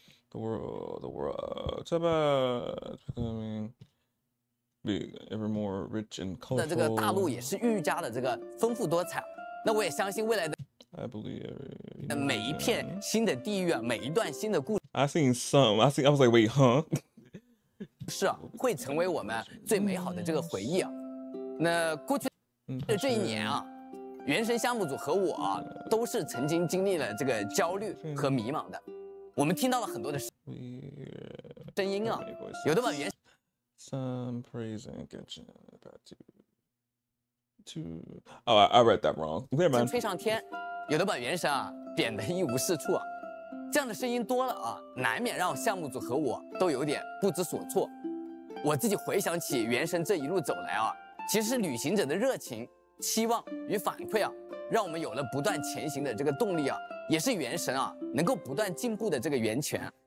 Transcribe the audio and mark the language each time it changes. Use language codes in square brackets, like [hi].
[en] ，the world, it's about becoming ever more rich and colorful. [zh] 那这个大陆也是愈加的这个丰富多彩。那我也相信未来的 [en] ，I believe every, [zh] 每一片新的地域啊，每一段新的故事。 [en] I was like, wait, huh? [zh] 是啊，会成为我们最美好的这个回忆啊。那过去的这一年啊，原神项目组和我啊，都是曾经经历了这个焦虑和迷茫的。我们听到了很多的声音啊，有的把原 [en] Some praise and attention about to oh I read that wrong. Never mind. [zh] 飞上天，有的把原神啊贬得一无是处啊。这样的声音多了啊，难免让项目组和我都有点不知所措。我自己回想起原神这一路走来啊，其实旅行者的热情、期望与反馈啊，让我们有了不断前行的这个动力啊，也是元神啊能够不断进步的这个源泉。